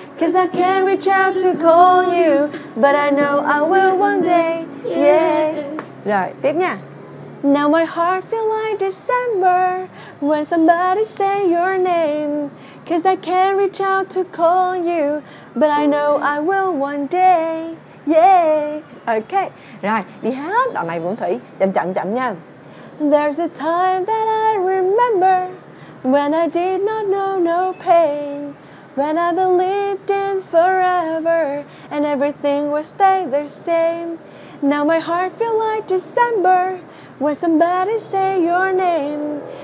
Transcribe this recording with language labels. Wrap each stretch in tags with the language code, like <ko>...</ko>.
<en>Cause I can't reach out to call you, but I know I will one day. Yeah.</en> <vi>Rồi, tiếp nha.</vi> <en>Now my heart feel like December when somebody say your name. Cause I can't reach out to call you, but I know I will one day. Yay!</en> <vi>Ok, rồi, đi hát đoạn này Vũng Thủy, chậm nha.</vi> <en>There's a time that I remember when I did not know no pain. When I believed in forever and everything would stay the same. Now my heart feels like December when somebody say your name.</en>